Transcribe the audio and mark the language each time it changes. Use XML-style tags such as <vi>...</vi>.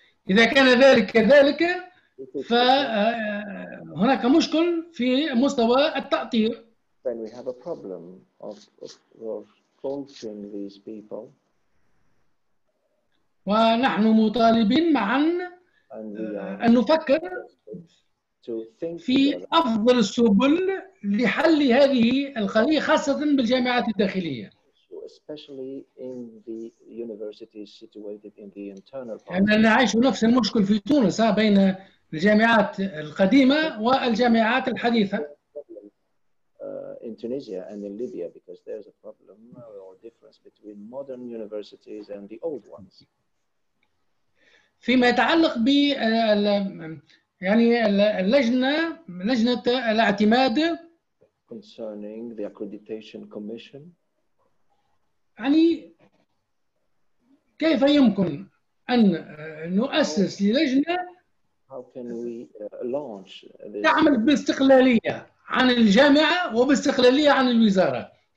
<ar>إذا كان ذلك كذلك فهناك مشكل في مستوى التأطير.</ar> <en>Then we have a problem of coaching these people.</en> <ar>ونحن مطالبين معا أن نفكر في أفضل السبل لحل هذه القضية خاصة بالجامعات الداخلية.</ar> <en>Especially in the universities situated in the internal part.</en> <ar>يعني نعيش نفس المشكل في تونس بين الجامعات القديمة والجامعات الحديثة.</ar> <en>In Tunisia and in Libya, because there's a problem or difference between modern universities and the old ones.</en> <ar>فيما يتعلق ب يعني لجنة الاعتماد.</ar> <en>Concerning the accreditation commission.</en> <ar>يعني كيف يمكن أن نؤسس لجنة تعمل باستقلالية عن الجامعة وباستقلالية عن الوزارة؟</ar>